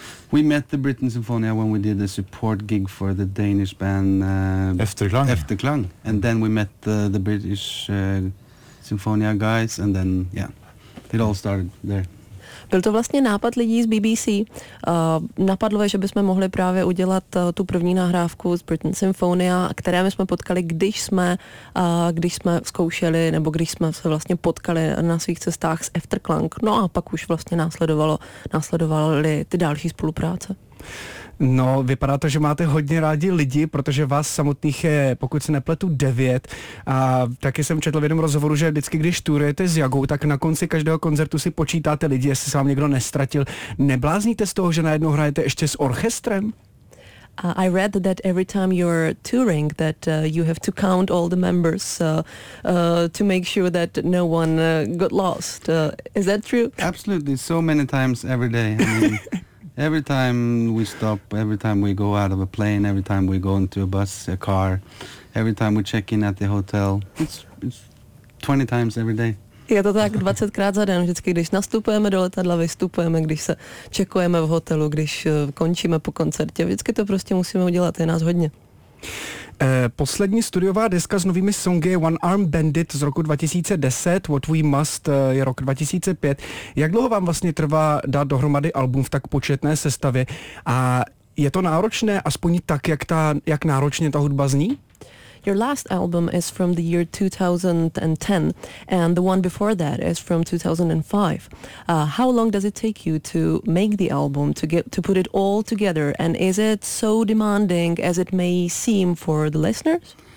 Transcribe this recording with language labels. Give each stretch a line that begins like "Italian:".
English: We met the Britain Symphony when we did the support gig for the Danish band Efterklang, and then we met the British Symphony guys, and then it all started there.
Czech: Byl to vlastně nápad lidí z BBC. Napadlo je, že bychom mohli právě udělat tu první nahrávku z Britain Symphonia, které my jsme potkali, když jsme zkoušeli, nebo když jsme se vlastně potkali na svých cestách s Efterklang. No a pak už vlastně následovaly ty další spolupráce. No, vypadá to, že máte hodně rádi lidi, protože vás samotných je, pokud se nepletu, 9. A taky jsem četl v jednom rozhovoru, že vždycky, když turujete s Jagou, tak na konci každého koncertu si počítáte lidi, jestli se vám někdo nestratil. Nebláznite z toho, že najednou hrajete ještě s orchestrem?
English: I read that every time you're touring that you have to count all the members to make sure that no one got lost. Is that true? Absolutely. So many times every day. Every time we stop, every time we go out of a plane, every time we go into a bus, a car, every time we check in at the hotel, it's 20 times every day.
Czech: Je to tak 20krát za den, vždycky, když nastupujeme do letadla, vystupujeme, když se čekujeme v hotelu, když končíme po koncertě, vždycky to prostě musíme udělat, je nás hodně. Poslední studiová deska s novými songy One Arm Bandit z roku 2010, What We Must je rok 2005. Jak dlouho vám vlastně trvá dát dohromady album v tak početné sestavě? A je to náročné, aspoň tak, jak náročně ta hudba zní?
English: Your last album is from the year 2010 and the one before that is from 2005. How long does it take you to make the album, to put it all together, and is it so demanding as it may seem for the listeners?